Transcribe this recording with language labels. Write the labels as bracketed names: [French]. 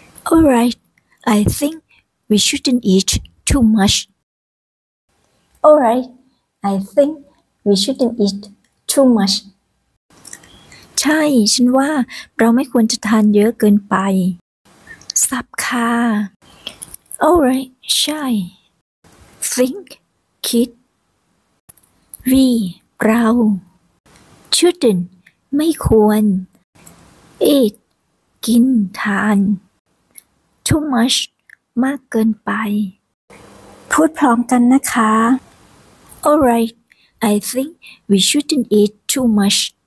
[English] All right I think we shouldn't eat too much All right I think we shouldn't eat too much [Thai] ใช่ฉันว่าเราไม่ควรจะทานเยอะเกินไปสับค่ะ [English] All right [Thai] ใช่ [English] Think [Thai] คิด [English] We [Thai] เรา [English] Shouldn't [Thai] ไม่ควร [English] Eat [Thai] กินทาน [English] Too much [Thai] มากเกินไป พูดพร้อมกันนะคะ [English] All right I think we shouldn't eat too much